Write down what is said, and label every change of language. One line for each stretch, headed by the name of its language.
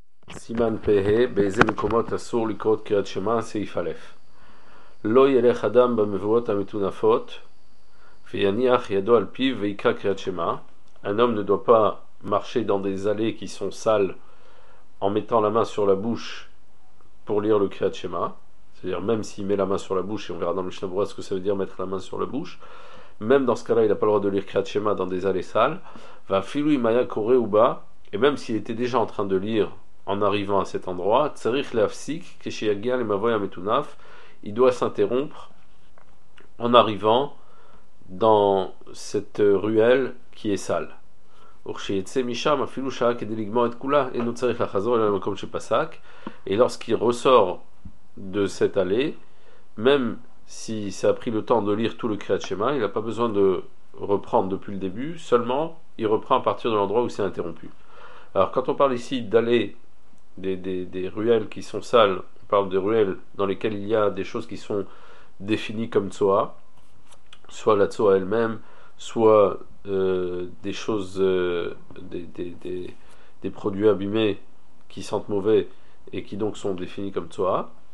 Hebrew: סימן פה, באיזה מקומות אסור לקרוא את קריאת שמע, סעיף א'. לא ילך אדם במבואות המטונפות ויניח ידו על פיו ויקרא קריאת שמע.
French: Un homme ne doit pas marcher dans des allées qui sont sales en mettant la main sur la bouche pour lire le Kriyat Shema. C'est-à-dire, même s'il met la main sur la bouche, et on verra dans le Mishnah Berurah ce que ça veut dire mettre la main sur la bouche, même dans ce cas-là, il n'a pas le droit de lire Kriyat Shema dans des allées sales.
Hebrew: Va filui maya kore uba,
French: et même s'il était déjà en train de lire en arrivant à cet endroit,
Hebrew: tsarich lafsik kesheyagia lemavoya metunaf,
French: il doit s'interrompre en arrivant dans cette ruelle qui est sale.
Hebrew: וכשיצא משם אפילו שעה כדי לגמור את כולה, אינו צריך לחזור אל המקום שפסק.
French: Et lorsqu'il ressort de cette allée, même si ça a pris le temps de lire tout le Kriyat Shema, il n'a pas besoin de reprendre depuis le début, seulement il reprend à partir de l'endroit où c'est interrompu. Alors quand on parle ici d'allée, des ruelles qui sont sales, on parle de ruelles dans lesquelles il y a des choses qui sont définies comme Tsoa, soit la Tsoa elle-même, soit des choses, des produits abîmés qui sentent mauvais et qui donc sont définis comme Tsoa.